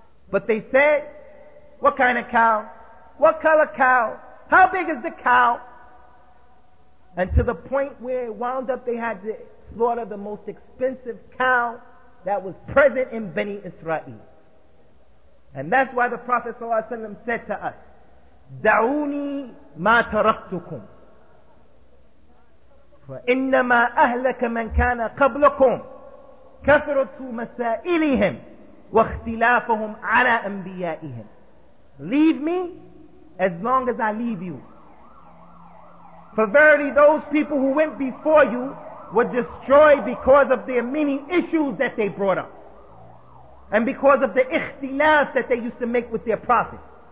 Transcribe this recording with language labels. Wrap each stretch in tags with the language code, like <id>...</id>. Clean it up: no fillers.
<en>But they said, "What kind of cow? What color cow? How big is the cow?" And to the point where it wound up they had to slaughter the most expensive cow that was present in Bani Israel. And that's why the Prophet ﷺ said to us,</en> <ar>دعوني ما تركتكم فإنما أهلك من كان قبلكم كثرت مسائلهم واختلافهم على أنبيائهم.</ar> <en>Leave me as long as I leave you. For verily those people who went before you were destroyed because of their many issues that they brought up, and because of the ikhtilaf that they used to make with their prophets.</en>